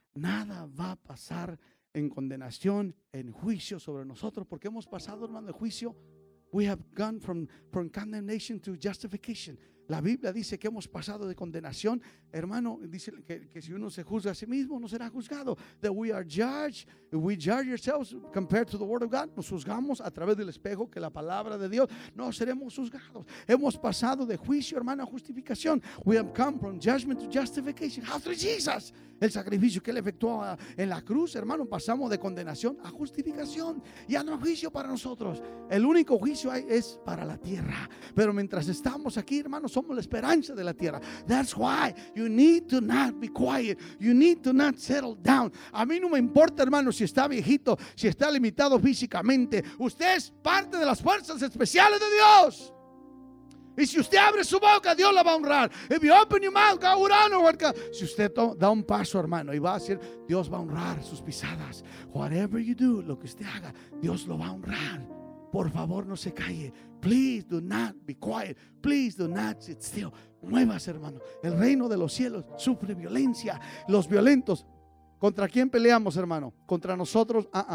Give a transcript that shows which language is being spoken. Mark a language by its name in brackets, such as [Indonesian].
[Spanish] Nada va a pasar en condenación, en juicio sobre nosotros. Porque hemos pasado, hermano, de juicio. [English] We have gone from condemnation to justification. [Spanish] La Biblia dice que hemos pasado de condenación. Hermano, dice que si uno se juzga a sí mismo, no será juzgado. [English] That we are judged, we judge ourselves compared to the word of God. [Spanish] Nos juzgamos a través del espejo que la palabra de Dios. No seremos juzgados. Hemos pasado de juicio, hermano, a justificación. [English] We have come from judgment to justification. After Jesus, [Spanish] el sacrificio que él efectuó en la cruz, hermano, pasamos de condenación a justificación. Ya no hay juicio para nosotros. El único juicio es para la tierra. Pero mientras estamos aquí, hermano, somos la esperanza de la tierra. [English] That's why you need to not be quiet. You need to not settle down. [Spanish] A mí no me importa, hermano, si está viejito, si está limitado físicamente. Usted es parte de las fuerzas especiales de Dios. Y si usted abre su boca, Dios la va a honrar. [English] If you open your mouth, God will honor you. [Spanish] Si usted da un paso, hermano, y va a decir, Dios va a honrar sus pisadas. [English] Whatever you do, [Spanish] lo que usted haga, Dios lo va a honrar. Por favor, no se calle. [English] Please do not be quiet. Please do not sit still. [Spanish] Muevas, hermano. El reino de los cielos sufre violencia. Los violentos, ¿contra quién peleamos, hermano? ¿Contra nosotros?